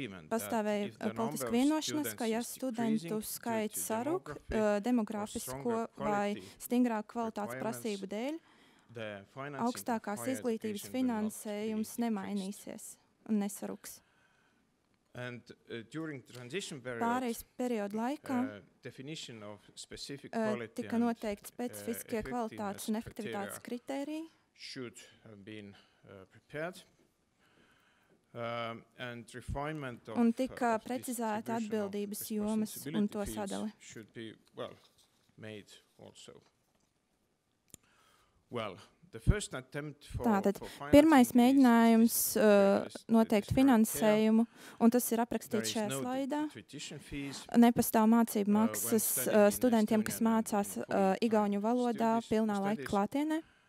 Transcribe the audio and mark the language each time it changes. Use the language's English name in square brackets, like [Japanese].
[Latvian] Pastāvēja politiska vienošanas, ka ja studentu skaits sarūk demogrāfisko vai stingrāku kvalitātes prasību dēļ, augstākās izglītības finansējums nemainīsies. Un nesarūks. [English] And during transition period, [Latvian] pāreiz periodu laikā [English] definition of specific [Latvian] tika noteikti specifiskie kvalitātes un efektivitātes kritēriji. [English] Should have been prepared. And refinement of [Latvian] un tika precizēta atbildības jomas un to sadali. [English] Should be well made also. Well, the first attempt for [Latvian] tātad pirmais mēģinājums noteikt finansējumu, un tas ir aprakstīts šajā slaidā. Nepastāv mācību maksas studentiem, kas mācās igauņu valodā pilnā laika klātienē.